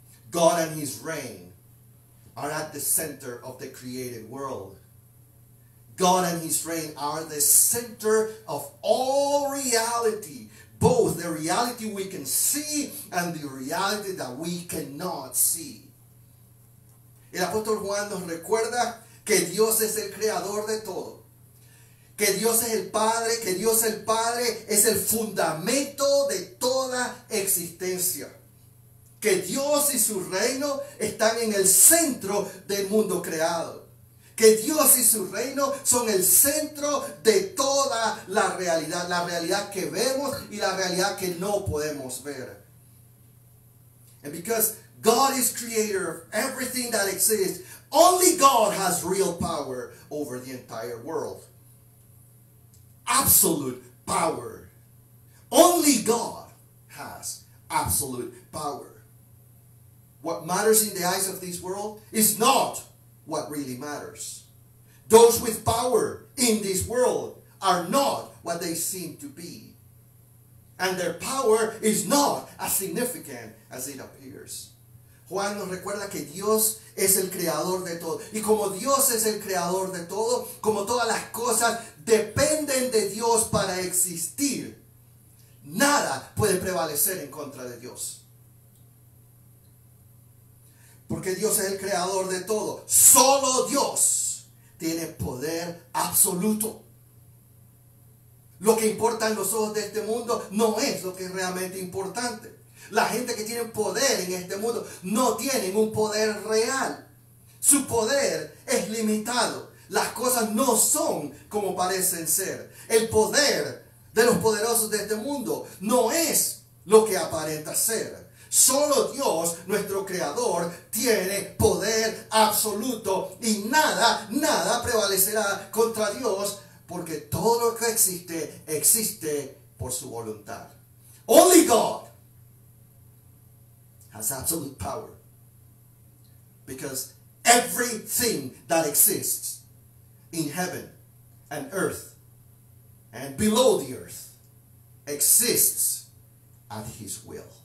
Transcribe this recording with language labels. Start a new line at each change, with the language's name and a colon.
English: God and His reign are at the center of the created world. God and His reign are the center of all reality, both the reality we can see and the reality that we cannot see.
Spanish: El apóstol Juan nos recuerda que Dios es el creador de todo. Que Dios es el Padre, que Dios el Padre es el fundamento de toda existencia. Que Dios y su reino están en el centro del mundo creado. Que Dios y su reino son el centro de toda la realidad que vemos y la realidad que no podemos ver.
English: And because God is creator of everything that exists, only God has real power over the entire world. Absolute power. Only God has absolute power. What matters in the eyes of this world is not what really matters. Those with power in this world are not what they seem to be. And their power is not as significant as it appears.
Spanish: Juan nos recuerda que Dios es el creador de todo. Y como Dios es el creador de todo, como todas las cosas dependen de Dios para existir, nada puede prevalecer en contra de Dios. Porque Dios es el creador de todo. Solo Dios tiene poder absoluto. Lo que importa en los ojos de este mundo no es lo que es realmente importante. La gente que tiene poder en este mundo no tiene un poder real. Su poder es limitado. Las cosas no son como parecen ser. El poder de los poderosos de este mundo no es lo que aparenta ser. Solo Dios, nuestro creador, tiene poder absoluto y nada, nada prevalecerá contra Dios, porque todo lo que existe, existe por su voluntad.
English: Only God has absolute power, because everything that exists in heaven and earth and below the earth exists at his will.